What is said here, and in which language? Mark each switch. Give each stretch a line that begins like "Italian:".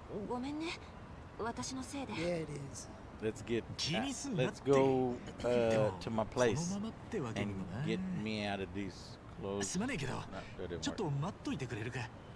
Japanese: だけど、せっかくの一丁らが汚れちゃったわね。ごめんね、私のせいで。
English: Yeah, it is. Let's get let's go to my place and get me out of these clothes.
Japanese: すまねえけど、ちょっと待っといてくれるか。